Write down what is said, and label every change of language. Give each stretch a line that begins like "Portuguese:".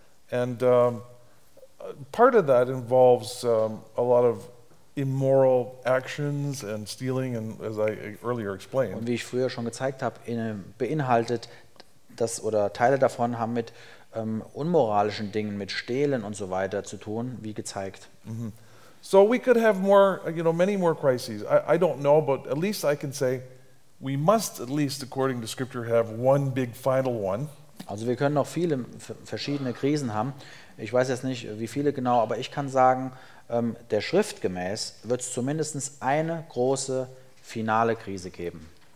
English: And part of that involves a lot of immoral actions and stealing, and as I earlier explained.
German: Und wie ich früher schon gezeigt habe, beinhaltet das oder Teile davon haben mit unmoralischen Dingen, mit Stehlen und so weiter zu tun, wie gezeigt. Mm-hmm.
English: So we could have more, you know, many more crises. I don't know, but at least I can say we must at least, according to Scripture, have one big final one.
German: Also wir können noch viele verschiedene Krisen haben. Ich weiß jetzt nicht, wie viele genau, aber ich kann sagen, der Schrift gemäß wird es zumindest eine große finale Krise geben.